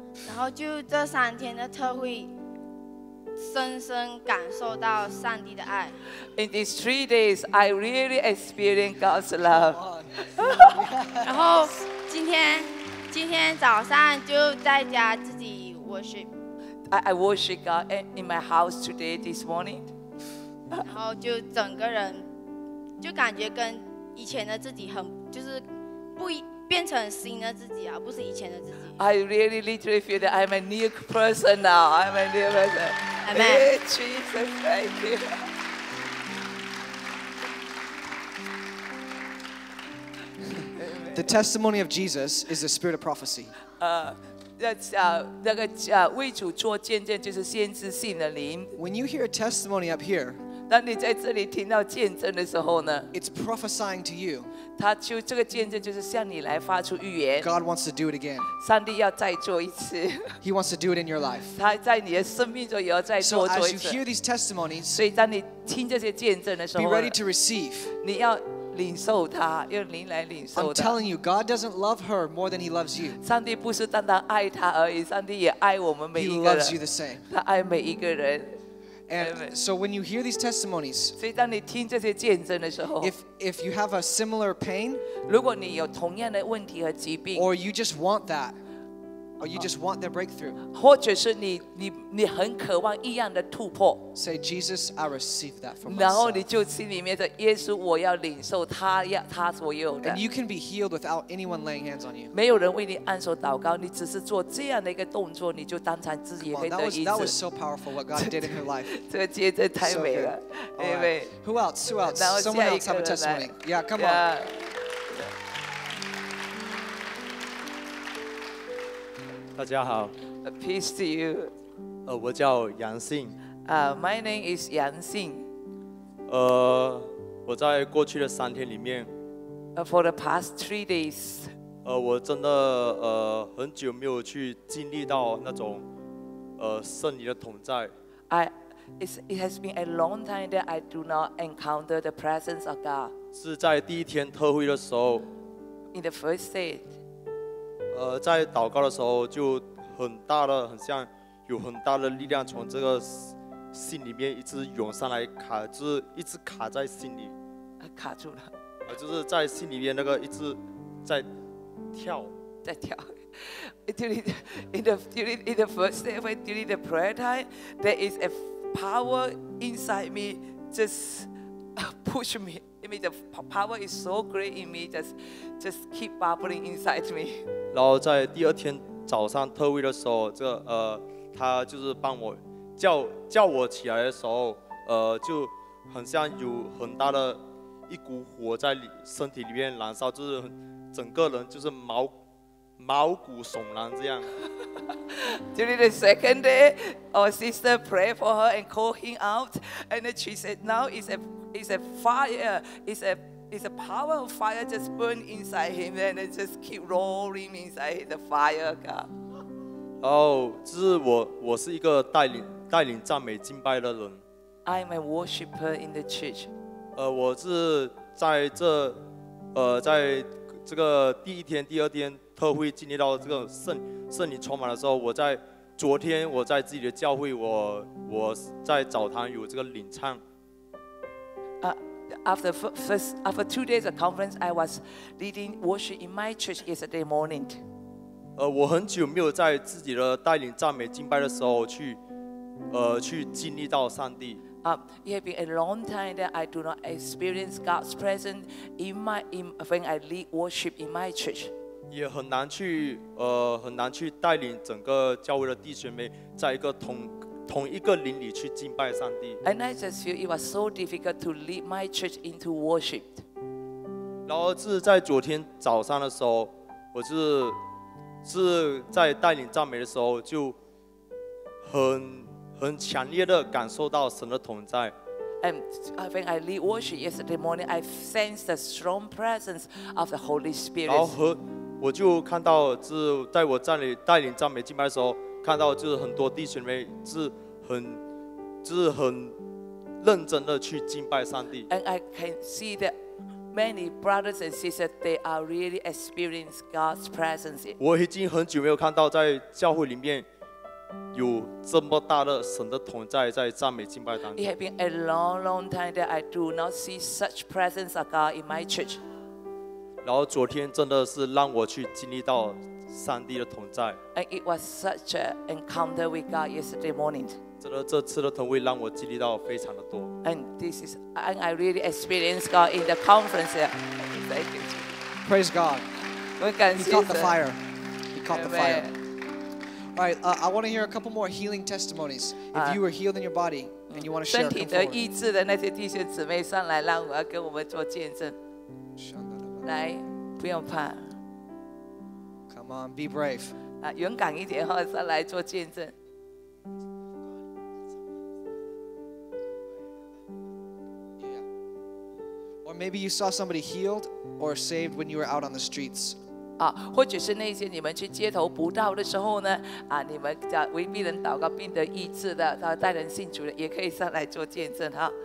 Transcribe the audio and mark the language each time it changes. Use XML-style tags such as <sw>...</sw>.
<zh>然后就这三天的特会，深深感受到上帝的爱。</zh> <en>In these 3 days, I really experienced God's love. <Come on.</en> <zh>laughs> 然后今天早上就在家自己 worship.</zh> <en>I worship God in my house today, this morning.</en> <zh>然后就整个人就感觉跟以前的自己很就是不变成新的自己啊，不是以前的自己。</zh> <en>I really literally feel that I'm a new person now. I'm a new person. Amen. Jesus, thank you. The testimony of Jesus is the spirit of prophecy. When you hear a testimony up here,</en> <zh>当你在这里听到见证的时候呢</zh> <en>，It's prophesying to you.</en> <zh>他就这个见证就是向你来发出预言。</zh> <en>God wants to do it again.</en> <zh>上帝要再做一次。</zh> <en>He wants to do it in your life.</en> <zh>他在你的生命中也要再做一次。</zh> <en>So as you hear these testimonies,</en> <zh>所以当你听这些见证的时候</zh> <en>，Be ready to receive.</en> <zh>你要领受他，用灵来领受。</zh> <en>I'm telling you, God doesn't love her more than He loves you.</en> <zh>上帝不是单单爱她而已，上帝也爱我们每一个人。</zh> <en>He loves you the same.</en> <zh>他爱每一个人。</zh> <en>And so when you hear these testimonies,</en> <zh>所以当你听这些见证的时候</zh> <en>if you have a similar pain,</en> <zh>如果你有同样的问题和疾病</zh> <en>or you just want that, or you just want their breakthrough,</en> <zh>或者是你很渴望一样的突破</zh> <en>say, Jesus, I receive that from myself.</en> <zh>然后你就心里面的耶稣我要领受他所有的</zh> <en>And you can be healed without anyone laying hands on you.</en> <zh>没有人为你按手祷告，你只是做这样的一个动作，你就当场自己也可以得医治。</zh> <en>That was so powerful what God did in her life.</en> <zh>这个见证太美了。</zh> <en>Amen. Who else? Who else? Someone else have a testimony. Yeah, come on. Peace to you.</en> <zh>我叫杨信。</zh> <en>My name is 杨信。</en> <zh>我在过去的三天里面。</zh> <en>For the past 3 days.</en> <zh>我真的很久没有去经历到那种圣灵的同在。</zh> <en>It has been a long time that I do not encounter the presence of God.</en> <zh>是在第一天特会的时候。</zh> <en>In the first day.</en> <zh>在祷告的时候就很大的很像有很大的力量从这个心里面一直涌上来卡就是一直卡在心里卡住了就是在心里面那个一直在跳在跳</zh> <en>during the first day when during the prayer time there is a power inside me just push me I mean the power is so great in me just keep bubbling inside me</en> <zh>然后在第二天早上特会的时候，这个他就是帮我叫我起来的时候，就很像有很大的一股火在身体里面燃烧，就是整个人就是毛骨悚然这样。</zh> <en>During the second day, our sister prayed for her and called him out, and then she said, "Now is a fire, It's a power of fire just burn inside him and it just keep rolling inside the fire, God.</en> <zh>然后就是我是一个带领赞美敬拜的人。</zh> <en>I'm a worshipper in the church.</en> <zh>我是在这在这个第一天第二天特会经历到这个 圣灵充满的时候，我在昨天我在自己的教会 我在澡堂有这个领唱。</zh> <en>After 2 days of conference, I was leading worship in my church yesterday morning.</en> <zh>我很久没有在自己的带领赞美敬拜的时候去，去经历到上帝。</zh> <en>It has been a long time that I do not experience God's presence when I lead worship in my church.</en> <zh>也很难去，很难去带领整个教会的弟兄们在一个同一个灵里去敬拜上帝。</zh> <en>And I just feel it was so difficult to lead my church into worship.</en> <zh>然后是在昨天早上的时候，我是在带领赞美的时候，就很强烈的感受到神的同在。</zh> <en>And when I lead worship yesterday morning, I sense the strong presence of the Holy Spirit.</en> <zh>然后我就看到是在我这里带领赞美敬拜的时候。看到就是很多弟兄们是很认真的去敬拜上帝。</zh> <en>And I can see that many brothers and sisters they are really experiencing God's presence.</en> <zh>我已经很久没有看到在教会里面有这么大的神的同在在赞美敬拜当中。</zh> <en>It has been a long, long time that I do not see such presence of God in my church.</en> <zh>然后昨天真的是让我去经历到。上帝的同在。</zh> <en>And it was such an encounter with God yesterday morning.</en> <zh>真的，这次的同会让我经历到非常的多。</zh> <en>And I really experienced God in the conference. Thank you. Praise God. We can see He caught the fire. He caught the fire. All right, I want to hear a couple more healing testimonies. If you were healed in your body and you want to share, come forward.</en> <zh>身体得医治的那些弟兄姊妹上来，让我要跟我们做见证。来，不用怕。</zh> <en>Be brave.</en> <zh>勇敢一点哈，再来做见证。</zh> <en>Or maybe you saw somebody healed or saved when you were out on the streets.</en> <zh>或者是那些你们去街头布道的时候呢，你们叫为病人祷告，病得医治的，他带人信主的，也可以上来做见证哈。</zh>